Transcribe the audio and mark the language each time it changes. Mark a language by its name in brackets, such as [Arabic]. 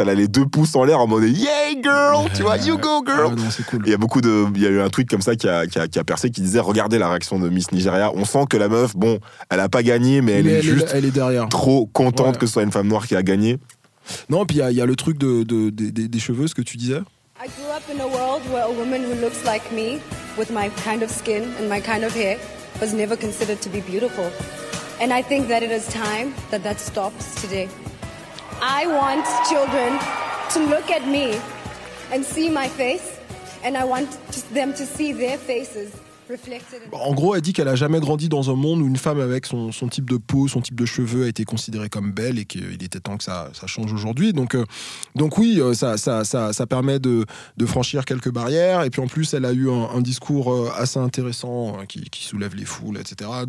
[French] Elle a les deux pouces en l'air en mode yay girl, ouais, tu vois, [English] you go girl. [French] Ouais, non, c'est cool. Il y a beaucoup de, il y a eu un tweet comme ça qui a percé, qui disait regardez la réaction de Miss Nigeria, on sent que la meuf, bon, elle a pas gagné, mais elle est juste derrière, trop contente, ouais, que ce soit une femme noire qui a gagné. Non, puis il y a le truc des cheveux, ce que tu disais. [English] I grew up in a world where a woman who looks like me with my kind of skin and my kind of hair was never considered to be beautiful, and I think that it is time that stops today. I want children to look at me and see my face. And I want them to see their faces reflected. [French] En gros, elle dit qu'elle a jamais grandi dans un monde où une femme avec son type de peau, son type de cheveux a été considérée comme belle, et qu'il était temps que ça change aujourd'hui. Donc oui, ça permet de franchir quelques barrières. Et puis en plus, elle a eu un discours assez intéressant qui soulève les foules, etc.